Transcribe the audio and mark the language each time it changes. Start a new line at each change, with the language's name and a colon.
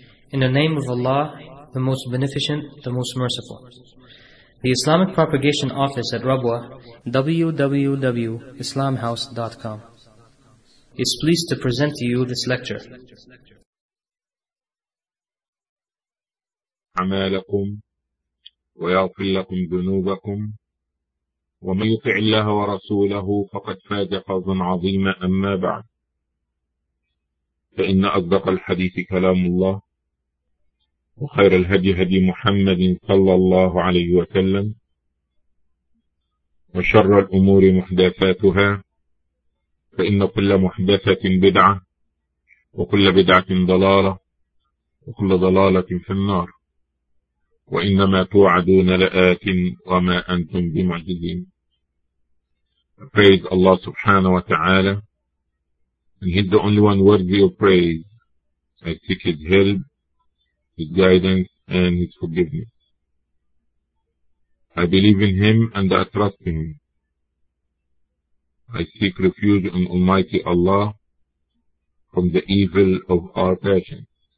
English: In the name of Allah, the Most Beneficent, the Most Merciful. The Islamic Propagation Office at Rabwa, www.islamhouse.com, is pleased to present to you this lecture.
Arabic: أعمالكم ويغفر لكم ذنوبكم ومن يطع الله ورسوله فقد فاز فوزا عظيما أما بعد فإن أصدق الحديث كلام الله وخير الهدي هدي محمد صلى الله عليه وسلم وشر الأمور محدثاتها فإن كل محدثة بدعة وكل بدعة ضلالة وكل ضلالة في النار وإنما توعدون لآت وما أنتم بمعجزين.
English: Praise Allah subhanahu wa ta'ala. And He's the only one worthy of praise. I seek His help, His guidance, and His forgiveness. I believe in Him and I trust in Him. I seek refuge in Almighty Allah from the evil of our passions.